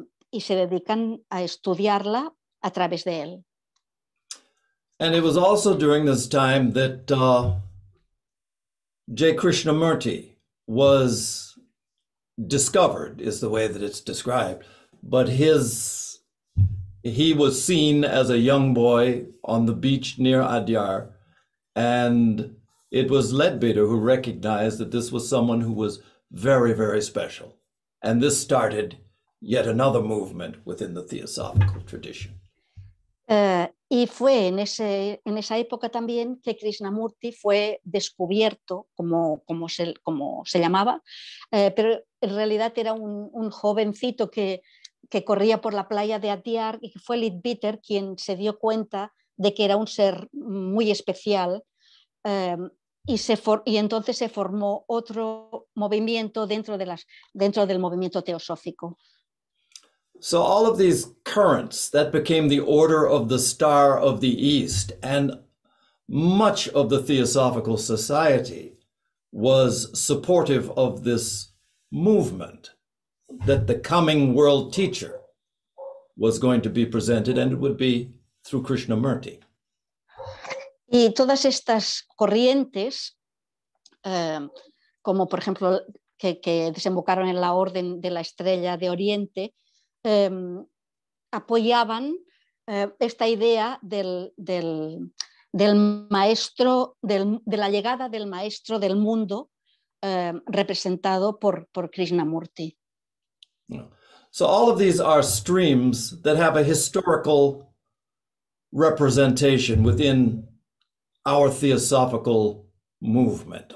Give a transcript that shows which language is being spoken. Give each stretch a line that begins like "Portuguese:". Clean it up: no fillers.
Spanish: y se dedican a estudiarla a través de él.
English: And it was also during this time that Jay Krishnamurti was discovered, is the way that it's described. But he was seen as a young boy on the beach near Adyar, and it was Leadbeater who recognized that this was someone who was very, very special. And this started yet another movement within the Theosophical tradition.
Spanish: Y fue en esa época también que Krishnamurti fue descubierto, como se llamaba, pero en realidad era un jovencito que corría por la playa de Adyar, y fue Leadbeater quien se dio cuenta de que era un ser muy especial, y entonces se formó otro movimiento dentro del movimiento teosófico.
English: So all of these currents that became the Order of the Star of the East, and much of the Theosophical Society was supportive of this movement that the coming world teacher was going to be presented, and it would be through Krishnamurti.
Spanish: Y todas estas corrientes, como por ejemplo que desembocaron en la Orden de la Estrella de Oriente, apoyaban esta idea del maestro, de la llegada del maestro del mundo, representado por Krishnamurti.
English: So all of these are streams that have a historical representation within our theosophical movement.